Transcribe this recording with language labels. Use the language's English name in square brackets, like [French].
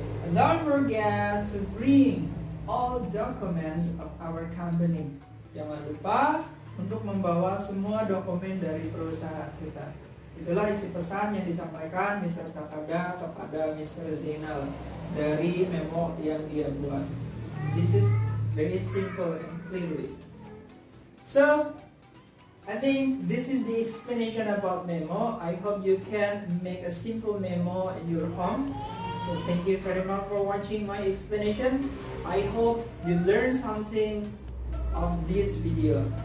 [English] Don't forget to bring all documents of our company. [Indonesian] Jangan lupa untuk membawa semua dokumen dari perusahaan kita. Itulah isi pesan yang disampaikan Mr. Kakada kepada Mr. Zainal dari memo yang dia buat. [English] This is very simple and clearly. So, I think this is the explanation about memo. I hope you can make a simple memo in your home. So, thank you very much for watching my explanation. I hope you learned something of this video.